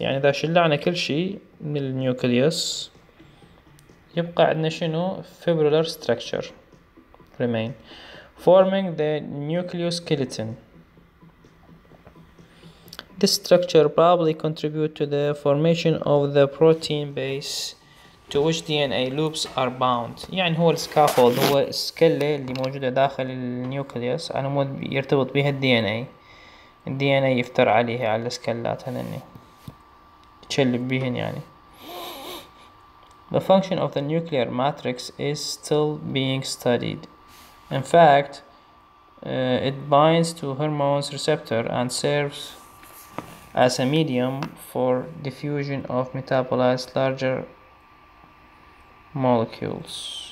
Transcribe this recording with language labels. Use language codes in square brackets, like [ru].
[ar] يعني اذا شلعنا كل شيء من النيوكليوس يبقى عندنا شنو؟ [en] fibrillar structure remain forming the nucleoskeleton. This structure probably contributes to the formation of the protein base to which DNA loops are bound. [ar] يعني هو scaffold، هو السكلة اللي موجودة داخل النيوكليوس على مود يرتبط بها DNA. DNA يفتر عليها على السكلات هذني، تشلب بهن يعني. [en] The function of the nuclear matrix is still being studied. In fact, it binds to hormones receptor and serves as a medium for diffusion of metabolized larger molecules.